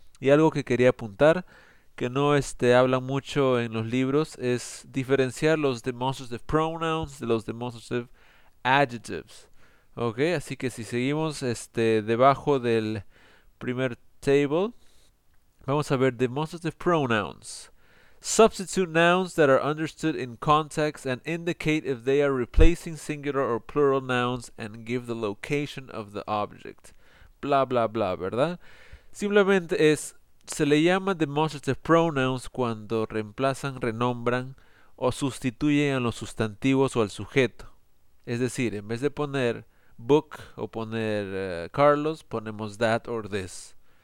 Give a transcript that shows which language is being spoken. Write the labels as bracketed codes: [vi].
[es] Y algo que quería apuntar, que no habla mucho en los libros, es diferenciar los demonstrative pronouns de los demonstrative adjectives. Ok, así que si seguimos debajo del primer table, vamos a ver demonstrative pronouns. [en] Substitute nouns that are understood in context and indicate if they are replacing singular or plural nouns and give the location of the object. [es] Bla bla bla, ¿verdad? Simplemente es, se le llama demonstrative pronouns cuando reemplazan, renombran o sustituyen a los sustantivos o al sujeto. Es decir, en vez de poner book o poner Carlos, ponemos that or this.